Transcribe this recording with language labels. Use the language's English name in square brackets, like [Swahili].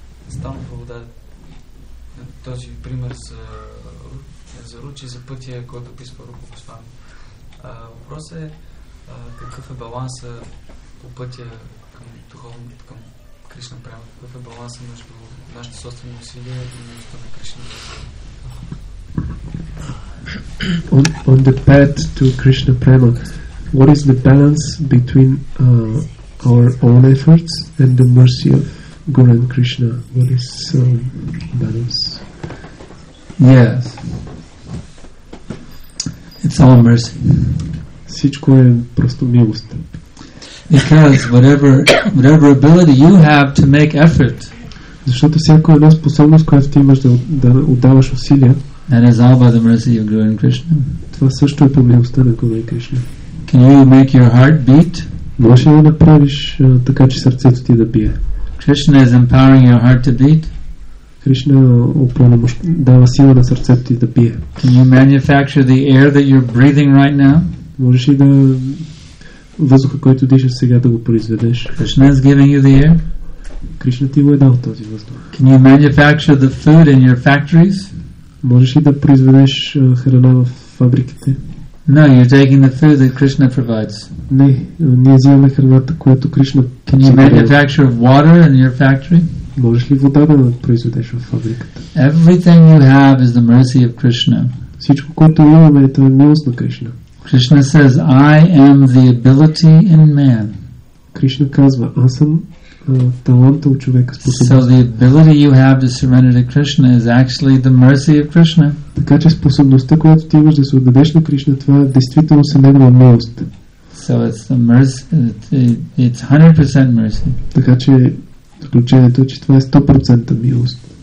[Bulgarian] Стана повода този пример за Ручи, за пътя, който описва Рупа Госвами. Въпросът е какъв е баланса по пътя към духовното, към Кришна прямо? Какъв е баланса между нашите собствени усилия и нещо на Кришна? [English] on the path to Krishna Prema, what is the balance between our own efforts and the mercy of Guru and Krishna? What is the balance? Yes. It's all mercy. [Bulgarian] Всичко е просто милост. [English] Because whatever ability you have to make effort, [Bulgarian] защото всяко една способност, която ти имаш да отдаваш усилия, [English] that is all by the mercy of Guru and Krishna. [Bulgarian] Това също е по милостта на Guru и Krishna. [English] Can you make your heart beat? [Bulgarian] Може ли да направиш така, че сърцето ти да бие? [English] Krishna is empowering your heart to beat. [Bulgarian] Krishna дава сила на сърцето ти да бие. [English] Can you manufacture the air that you're breathing right now? [Bulgarian] Можеш ли да въздуха, който дишаш сега, да го произведеш? [English] Krishna is giving you the air. [Bulgarian] Krishna ти го е дал този въздух. [English] Can you manufacture the food in your factories? [Bulgarian] Можеш ли да произведеш храна в фабриките? [English] No, you're taking the food that Krishna provides. [Bulgarian] Не, ние взимаме храната, която Кришна. [English] Can you manufacture water in your factory? [Bulgarian] Можеш ли вода да произведеш в фабриката? [English] Everything you have is the mercy of Krishna. [Bulgarian] Всичко, което имаме, е милост на Кришна. [English] Krishna says, I am the ability in man. [Bulgarian] Кришна казва, аз съм таланта от човека, способността. [English] So the ability you have to surrender to Krishna is actually the mercy of Krishna. [Bulgarian] Така че способността, която ти имаш да се отдадеш на Кришна, това е действително се негова милост. [English] So it's the mercy, it's 100% mercy. [Bulgarian] Така че заключението е, че това е 100% милост.